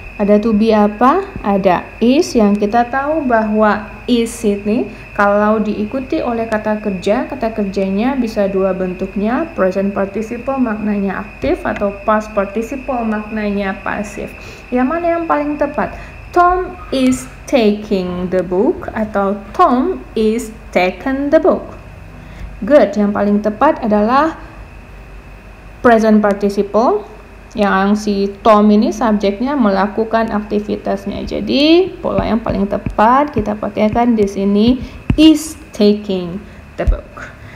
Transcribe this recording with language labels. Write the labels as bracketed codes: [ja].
[id] Ada to be apa? Ada is, yang kita tahu bahwa is ini kalau diikuti oleh kata kerjanya bisa dua bentuknya, present participle maknanya aktif atau past participle maknanya pasif. Yang mana yang paling tepat? [en] Tom is taking the book atau Tom is taken the book. [id] Good, yang paling tepat adalah present participle yang si Tom ini subjeknya melakukan aktivitasnya. Jadi, pola yang paling tepat kita pakaikan di sini is taking the book.